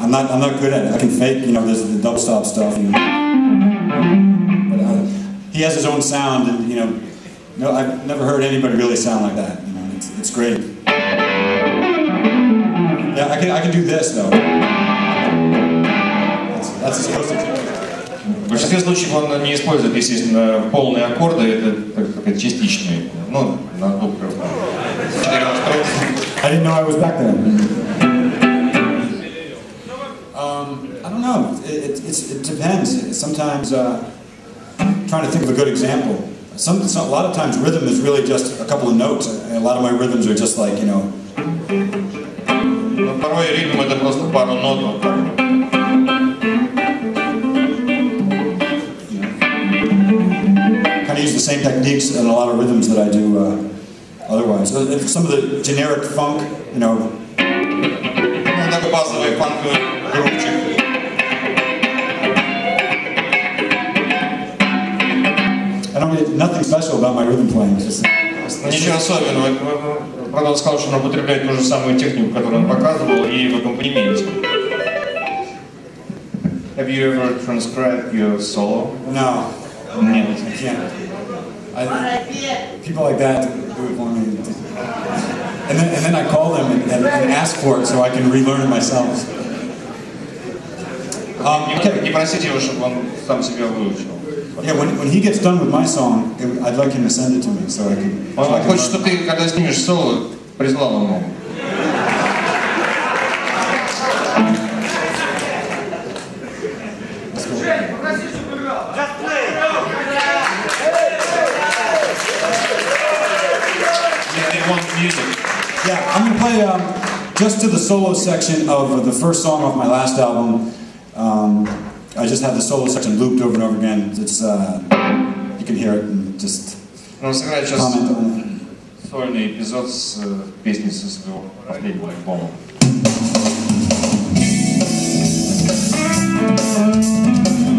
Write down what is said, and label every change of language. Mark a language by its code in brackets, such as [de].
[en] I'm not good at it. I can fake, you know, there's the double stop stuff. You know. But he has his own sound, and you know, no, I've never heard anybody really sound like that. You know, it's great. Yeah, I can do this though. That's as close as it goes. [ru] В большинстве случаев он не использует, естественно, полные аккорды, это как частичные. Ну, на добрый вопрос. [en] I didn't know I was back then. I don't know. It depends. Sometimes trying to think of a good example. A lot of times rhythm is really just a couple of notes. A lot of my rhythms are just like, you know. [ru] Но порой ритм это просто пару нот. [en] Kind of use the same techniques in a lot of rhythms that I do otherwise. Some of the generic funk, you know. [ru] Такой базовый фанк группчик. [en] I don't mean nothing special about my rhythm playing. It's just, [ru] ничего особенного. Правда, он сказал, что он употребляет ту же самую технику, которую он показывал, и в аккомпанементе. [en] Have you ever transcribed your solo? No. [ru] Нет. [en] I can't. People like that do it for me. And then I call them and ask for it so I can relearn it myself. [ru] Не просите его, чтобы он сам себя выучил. [en] Yeah, when he gets done with my song, I'd like him to send it to me so I can. [ru] Он хочет, чтобы ты, когда снимешь соло, прислал ему. [en] Yeah, I'm gonna play just to the solo section of the first song of my last album. I just have the solo section looped over and over again. It's you can hear it and just comment on it. [ru] Сольный эпизод с песни со своего последнего альбома.